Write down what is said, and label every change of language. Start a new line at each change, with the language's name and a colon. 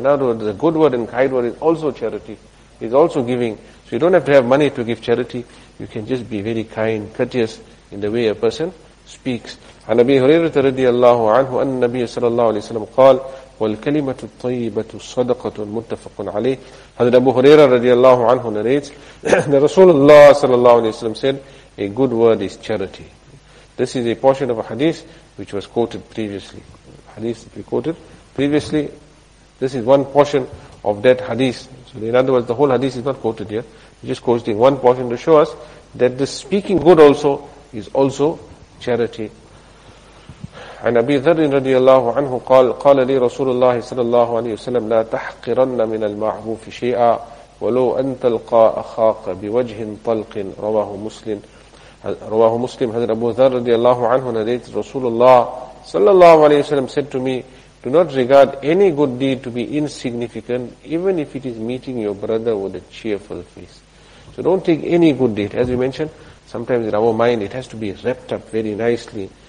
English: In other words, a good word and kind word is also charity, is also giving. So you don't have to have money to give charity. You can just be very kind, courteous in the way a person speaks.
Arabic: An Abi Hurairah radiallahu anhu, an Nabi sallallahu alayhi wa sallam qal, والكلمة الطيبة صدقة متفق عليه. هذا أبو هريرة رضي الله عنه
English: narrates that Rasulullah
Arabic: صلى الله عليه وسلم
English: said a good word is charity. This is a portion of a hadith which was quoted previously. Hadith that we quoted previously. This is one portion of that hadith. So in other words, the whole hadith is not quoted here. We're just quoting one portion to show us that the speaking good also is also charity.
Arabic: عن أبي ذر رضي الله عنه قال قال لي رسول الله صلى الله عليه وسلم لا تحقرن من المعروف شيئا ولو أن تلقى أخاك بوجه طلق رواه مسلم رواه مسلم. هذا أبو ذر رضي الله عنه نديت رسول الله صلى الله عليه وسلم
English: said to me, do not regard any good deed to be insignificant even if it is meeting your brother with a cheerful face. So don't take any good deed. As we mentioned, sometimes in our mind it has to be wrapped up very nicely.